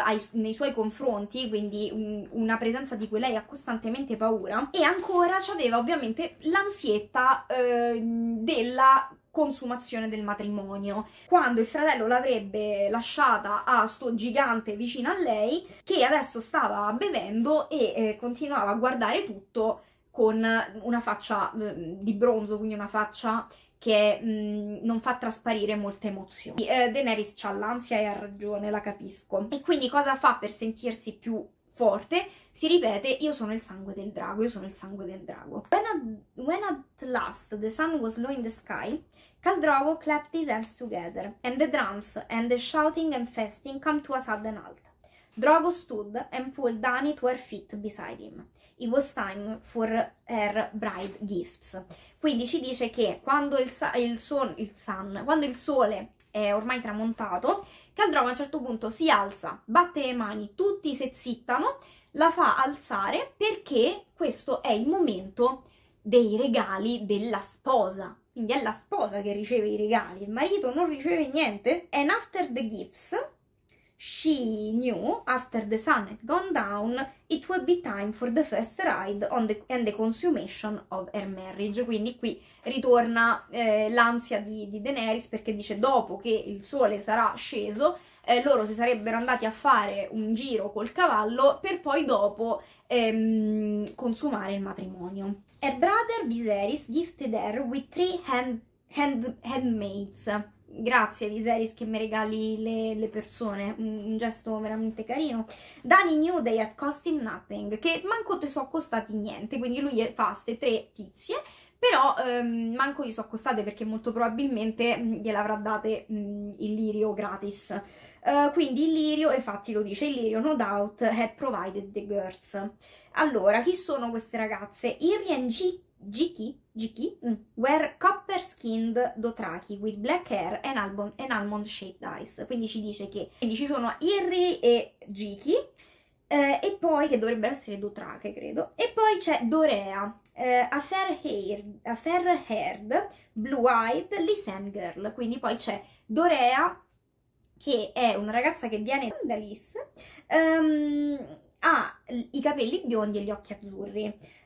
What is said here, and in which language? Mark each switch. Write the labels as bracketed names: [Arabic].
[Italian] nei suoi confronti, quindi una presenza di cui lei ha costantemente paura, e ancora c'aveva ovviamente l'ansietta della consumazione del matrimonio, quando il fratello l'avrebbe lasciata a sto gigante vicino a lei che adesso stava bevendo e continuava a guardare tutto con una faccia di bronzo, quindi una faccia che non fa trasparire molte emozioni. Daenerys c'ha l'ansia e ha ragione, la capisco. E quindi cosa fa per sentirsi più forte? Si ripete: io sono il sangue del drago, io sono il sangue del drago. [English] When at last the sun was low in the sky, Khal Drogo clapped his hands together, and the drums and the shouting and feasting come to a sudden halt. Drogo stood and pulled Dany to her feet beside him. It was time for her bride gifts. [Italian] Quindi ci dice che quando quando il sole è ormai tramontato, Khal Drogo a un certo punto si alza, batte le mani, tutti si zittano, la fa alzare perché questo è il momento dei regali della sposa. Quindi è la sposa che riceve i regali, il marito non riceve niente. [English] And after the gifts, she knew, after the sun had gone down, it would be time for the first ride and the consummation of her marriage. [Italian] Quindi qui ritorna l'ansia di Daenerys, perché dice: dopo che il sole sarà sceso, loro si sarebbero andati a fare un giro col cavallo per poi dopo consumare il matrimonio. [English] Her brother Viserys gifted her with three handmaids. [Italian] Grazie Viserys che mi regali le persone, un gesto veramente carino. [English] Dany knew they had cost him nothing, [Italian] che manco ti sono costati niente, quindi lui fa queste tre tizie, però manco gli sono costate perché molto probabilmente gliel'avrà date il lirio gratis. Quindi il lirio, infatti lo dice, il lirio [English] no doubt had provided the girls. [Italian] Allora, chi sono queste ragazze? [English] Iri and Jicky, were copper-skinned Dothraki with black hair and almond-shaped eyes. [Italian] Quindi ci dice che ci sono Iri e Jicky, e poi, che dovrebbero essere Dothrake, credo. E poi c'è [English] Dorea, a fair-haired, blue-eyed, Lysand girl. [Italian] Quindi poi c'è Dorea, che è una ragazza che viene da Lys, ha i capelli biondi e gli occhi azzurri.